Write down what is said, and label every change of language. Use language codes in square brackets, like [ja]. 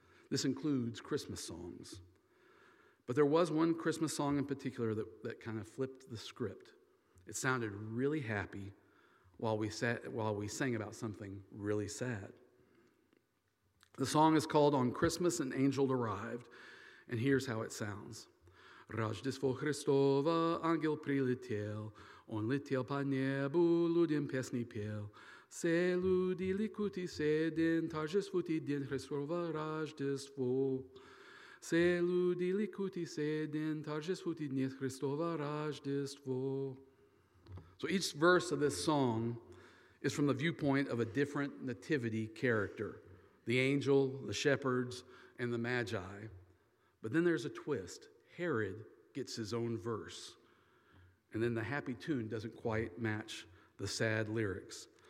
[en] This includes Christmas songs. But there was one Christmas song in particular that kind of flipped the script. It sounded really happy while we sang about something really sad. The song is called "On Christmas an Angel Arrived," and here's how it sounds. [ru] Рождество Христово, ангел прилетел, он летел по небу, людям песни пел. Все люди ликуют, все день торжествует, день Христова Рождество. Все люди ликуют, все день торжествует, день Христова Рождество. [en] So each verse of this song is from the viewpoint of a different nativity character, the angel, the shepherds, and the magi. But then there's a twist. Herod gets his own verse, and then the happy tune doesn't quite match the sad lyrics.